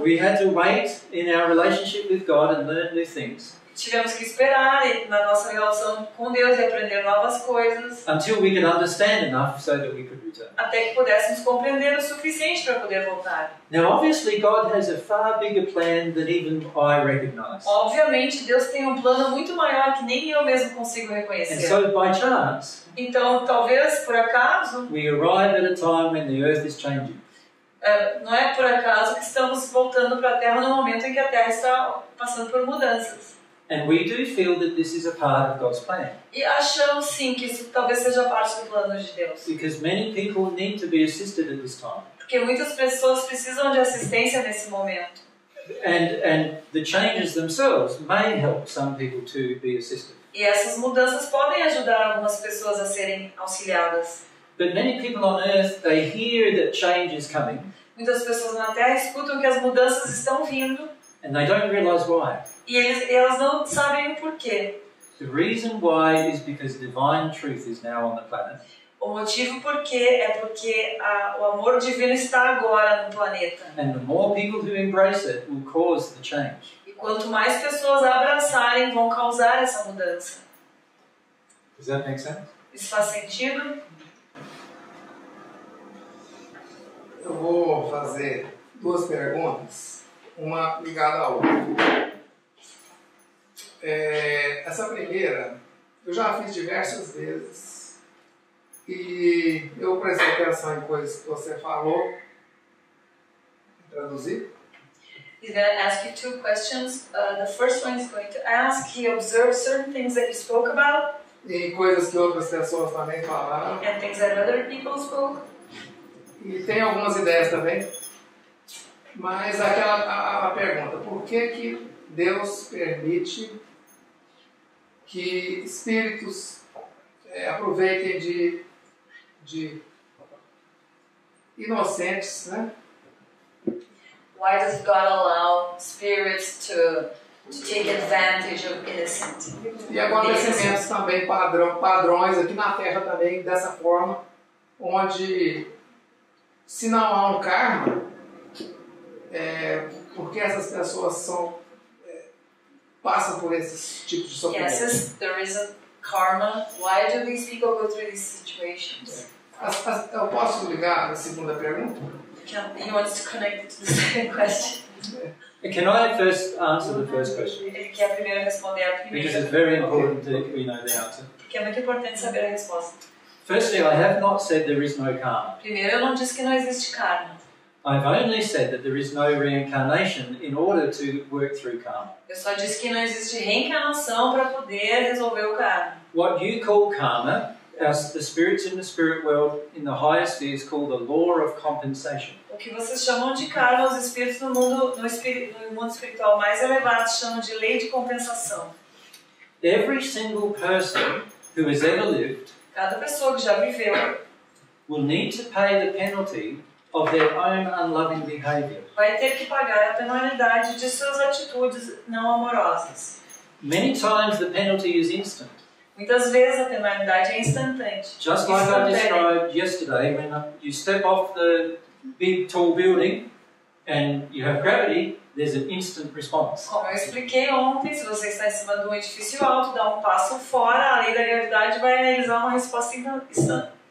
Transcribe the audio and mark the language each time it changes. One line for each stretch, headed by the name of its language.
English: we had to wait in our relationship with God and learn new things.
Portuguese: Tivemos que esperar na nossa relação com Deus e aprender novas coisas.
English: Until we could understand enough so that we could return.
Portuguese: Até que pudéssemos compreender o suficiente para poder voltar.
English: Now, obviously, God has a far bigger plan than even I recognize.
Portuguese: Obviamente, Deus tem plano muito maior que nem eu mesmo consigo reconhecer.
English: And so, by chance,
Portuguese: então, talvez, por acaso,
English: we arrive at a time when the earth is changing.
Portuguese: Não é por acaso que estamos voltando para a Terra no momento em que a Terra está passando por mudanças.
English: And we do feel that this is a part of God's plan.
Portuguese: E achamos sim que isso talvez seja parte do plano de Deus.
English: Because many people need to be assisted at this time.
Portuguese: Porque muitas pessoas precisam de assistência nesse momento.
English: And the changes themselves may help some people to be assisted.
Portuguese: E essas mudanças podem ajudar algumas pessoas a serem auxiliadas.
English: But many people on earth, they hear that change is coming.
Portuguese: Muitas pessoas na Terra escutam que as mudanças estão vindo.
English: And they don't realize why.
Portuguese: E elas não sabem o porquê.
English: The reason why is because divine truth is now on the planet.
Portuguese: O motivo por quê é porque o amor divino está agora no planeta.
English: And the more people who embrace it will cause the change.
Portuguese: E quanto mais pessoas abraçarem, vão causar essa mudança.
English: Does that make sense?
Portuguese: Isso faz sentido? Eu vou fazer duas perguntas, uma ligada à outra. Essa primeira, eu já fiz diversas vezes. E eu prestei atenção em coisas que você falou. Traduzir?
English: He's going to ask you two questions. The first one is going to ask, he observed certain things that you spoke about.
Portuguese: E coisas que outras pessoas também falaram.
English: And things that other people spoke.
Portuguese: E tem algumas ideias também. Mas aquela a pergunta, por que que Deus permite que espíritos aproveitem de inocentes, né?
English: Why does God allow spirits to take advantage of innocent?
Portuguese: E acontecimentos também padrões aqui na Terra também dessa forma, onde se não há um karma, por que essas pessoas são passam por esses tipos de sofrimento?
English: Yes, there is a karma. Why do these people go through these situations?
Portuguese: Eu posso ligar a segunda pergunta?
English: He wants to connect to the second question. Can I first answer the first question?
Portuguese: Ele quer primeiro responder a primeira.
English: Because it's very important that we know the answer.
Portuguese: Que é muito importante saber a resposta.
English: Firstly, I have not said there is no karma.
Portuguese: Primeiro, eu não disse que não existe karma.
English: I've only said that there is no reincarnation in order to work through karma.
Portuguese: Eu só disse que não existe reencarnação para poder resolver o karma.
English: What you call karma, as the spirits in the spirit world, in the higher spheres, call the law of compensation.
Portuguese: O que vocês chamam de karma, os espíritos no mundo espiritual mais elevado chamam de lei de compensação.
English: Every single person who has ever lived,
Portuguese: cada pessoa que já viveu,
English: will need to pay the penalty of their own unloving behavior.
Portuguese: Vai ter que pagar a penalidade de suas atitudes não amorosas.
English: Many times the penalty is instant.
Portuguese: Muitas vezes a penalidade é instantânea.
English: Just like I described yesterday, when you step off the big tall building and you have gravity, there's an instant response.
Portuguese: Como eu expliquei ontem, se você está em cima de um edifício alto, dá um passo fora, a lei da gravidade vai realizar uma resposta instantânea.